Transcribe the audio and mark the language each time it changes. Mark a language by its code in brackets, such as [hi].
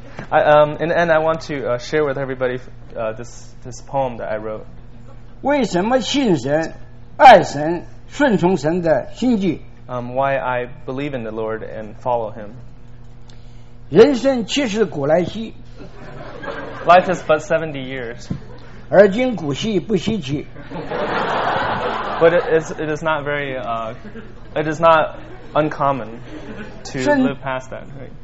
[en] I want to share with everybody this poem that I wrote [zh] 为什么信神爱神顺从神的心迹 [en] why I believe in the Lord and follow him [zh] 人生七十古来稀 [en] Life is but 70 years [zh] 而今古稀不稀奇 [en] But it is not very it is not uncommon to live past that、right?